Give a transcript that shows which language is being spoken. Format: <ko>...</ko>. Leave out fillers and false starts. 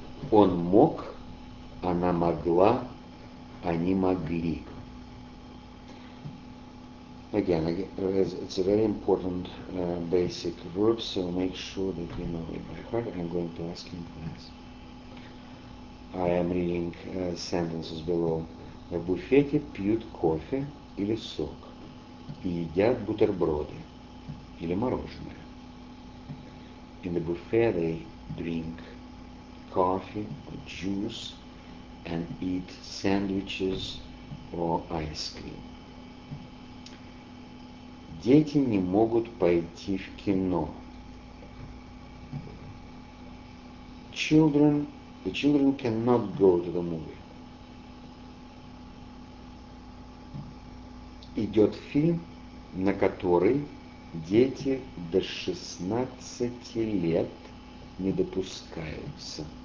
<ru>Он мог, она могла, они могли.</ru> <en>Again, it's a very important basic verb, so make sure that you know it by heart. I'm going to ask in class. I am reading sentences below.</en> <ru>В буфете пьют кофе или сок, и едят бутерброды или мороженое.</ru> <en>In the buffet they drink coffee or juice and eat sandwiches or ice cream.</en> <ru>Дети не могут пойти в кино.</ru> <en>The children cannot go to the movie.</en> <ru>Идет фильм, на который дети до 16 лет не допускаются.</ru>